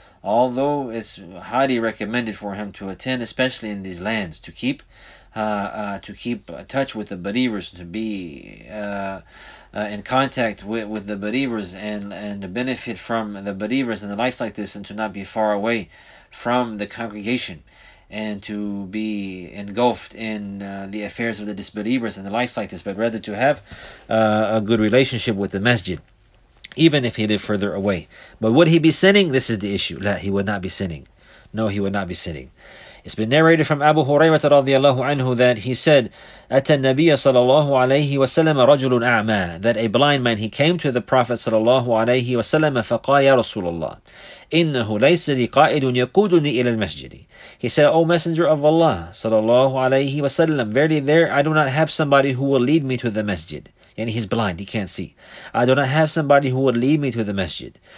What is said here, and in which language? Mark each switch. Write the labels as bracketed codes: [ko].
[en] Although it's highly recommended for him to attend, especially in these lands, to keep touch with the believers, to be in contact with the believers and benefit from the believers and the likes like this, and to not be far away from the congregation and to be engulfed in the affairs of the disbelievers and the likes like this, but rather to have a good relationship with the masjid. Even if he lived further away. But would he be sinning? This is the issue. La, he would not be sinning. No, he would not be sinning. It's been narrated from Abu Hurairah radiallahu anhu that he said, [ar] أَتَى النَّبِيَّ صَلَى اللَّهُ عَلَيْهِ وَسَلَّمَ رَجُلٌ أَعْمَى, [en] that a blind man, he came to the Prophet [ar] صلى الله عليه وسلم فَقَالَ يَا رَسُولَ اللَّهِ إِنَّهُ لَيْسَ لِي قَائِدٌ يَقُودُنِي إِلَى الْمَسْجِدِ. [en] He said, O Messenger of Allah صلى الله عليه وسلم, verily there I do not have somebody who will lead me to the masjid. And he's blind, he can't see. I do not have somebody who would lead me to the masjid.